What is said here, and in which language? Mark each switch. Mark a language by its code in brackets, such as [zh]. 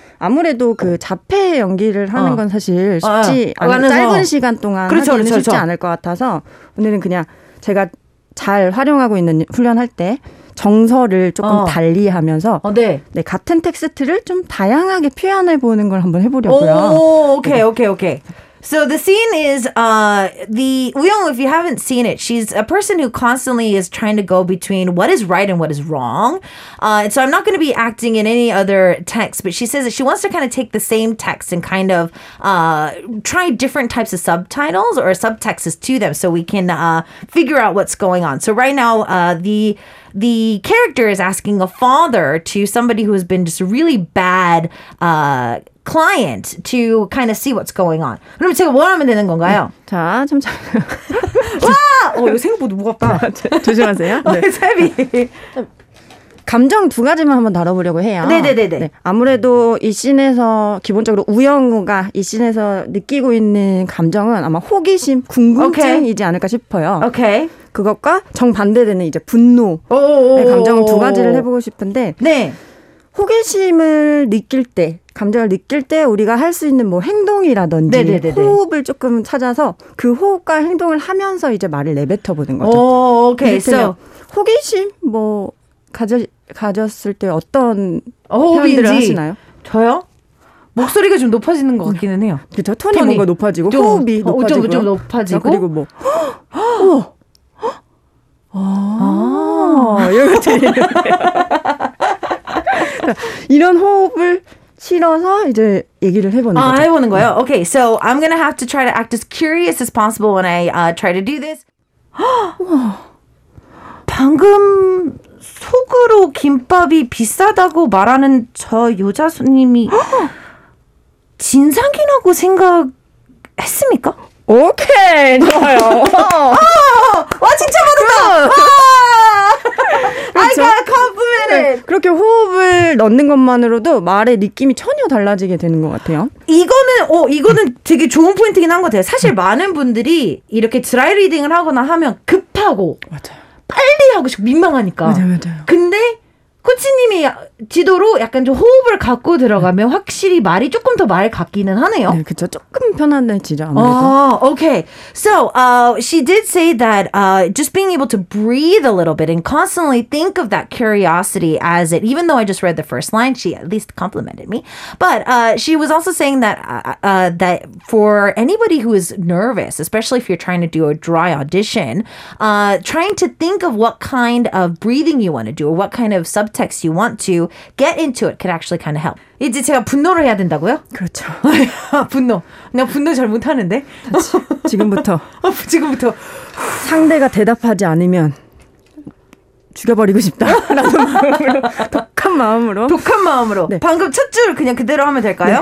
[ko] 아무래도 그 자폐 연기를 하는 건 사실 쉽지 않은 짧은 시간 동안 쉽지 않을 것 같아서 오늘은 그냥 제가 잘 활용하고 있는 훈련할 때 정서를 조금 달리하면서 같은 텍스트를 좀 다양하게 표현해 보는 걸 한번 해보려고요. 오케이. [en] So the scene is the Uyong, if you haven't seen it, she's a person who constantly is trying to go between what is right and what is wrong. And so I'm not going to be acting in any other text, but she says that she wants to kind of take the same text and kind of try different types of subtitles or subtexts to them so we can figure out what's going on. So right now, the character is asking a father to somebody who has been just really bad client to kind of see what's going on. [ko] 그럼 제가 뭘 하면 되는 건가요? 네. 자, 좀 잠. 와! 이거 생각보다 무겁다. 조심하세요. 네. 세비. 감정 두 가지만 한번 다뤄보려고 해요. 네네네네. 네. 아무래도 이 씬에서 기본적으로 우영우가 이 씬에서 느끼고 있는 감정은 아마 호기심, 궁금증이지 [en] okay. [ko] 않을까 싶어요. 오케이. Okay. 그것과 정반대되는 이제 분노의 감정 두 가지를 해보고 싶은데 네. 호기심을 느낄 때 감정을 느낄 때 우리가 할 수 있는 뭐 행동이라든지 네네네네. 호흡을 조금 찾아서 그 호흡과 행동을 하면서 이제 말을 내뱉어 보는 거죠. 오, 오케이. 그래서 호기심 뭐 가졌을 때 어떤 표현들을 하시나요? 저요? 목소리가 좀 높아지는 것 같기는 해요. 그렇죠. 톤이 뭔가 높아지고 좀, 호흡이 높아지고 좀 높아지고 그리고 뭐 이렇게 들리는데요. 이런 호흡을 실어서 이제 얘기를 해보는 거죠. 해보는 거예요? [en] Okay, so I'm going to have to try to act as curious as possible when I try to do this. [ko] 방금 속으로 김밥이 비싸다고 말하는 저 여자 손님이 진상이라고 생각했습니까? 오케이, 좋아요. 와, 진짜 맞았다! 그렇죠? [en] I got complimented! [ko] 네, 그렇게 호흡을 넣는 것만으로도 말의 느낌이 전혀 달라지게 되는 것 같아요. 이거는 되게 좋은 포인트긴 한 것 같아요. 사실 많은 분들이 이렇게 드라이 리딩을 하거나 하면 급하고 맞아요. 빨리 하고 싶고 민망하니까 맞아요. 근데 코치님이 지도로 약간 좀 호흡을 갖고 들어가면 확실히 말이 조금 더 말 같기는 하네요. 네, 그렇죠. 조금 편안해지죠. 아무래도. [en] Okay. So, she did say that just being able to breathe a little bit and constantly think of that curiosity as it, even though I just read the first line, she at least complimented me. But she was also saying that that for anybody who is nervous, especially if you're trying to do a dry audition, trying to think of what kind of breathing you want to do or what kind of subtext you want to get into it could actually kind of help. [ko] 이제 제가 분노를 해야 된다고요? 그렇죠. 분노. 내가 분노 잘 못하는데. 지금부터. 지금부터. 상대가 대답하지 않으면 죽여버리고 싶다. 라는 마음으로 독한 마음으로. 독한 마음으로. 네. 방금 첫 줄 그냥 그대로 하면 될까요?